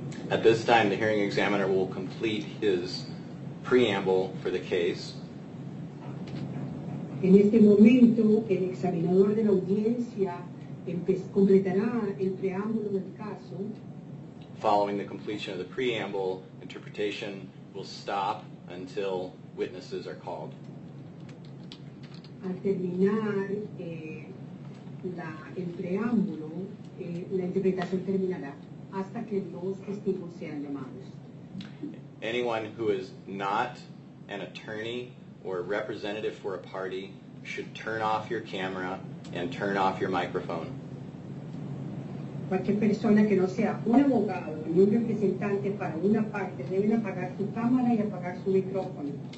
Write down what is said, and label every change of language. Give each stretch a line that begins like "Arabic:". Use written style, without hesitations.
English: At this time, the hearing examiner will complete his preamble for the case.
Spanish: En este momento, el examinador de la audiencia completará el preámbulo del caso.
English: Following the completion of the preamble, interpretation will stop until witnesses are called.
Spanish: Al terminar el preámbulo, la interpretación terminará hasta que los testigos sean llamados.
English: Anyone who is not an attorney or a representative for a party should turn off your camera and turn off your microphone.
Spanish: Cualquier persona que no sea un abogado ni un representante para una parte deben apagar su cámara y apagar su micrófono.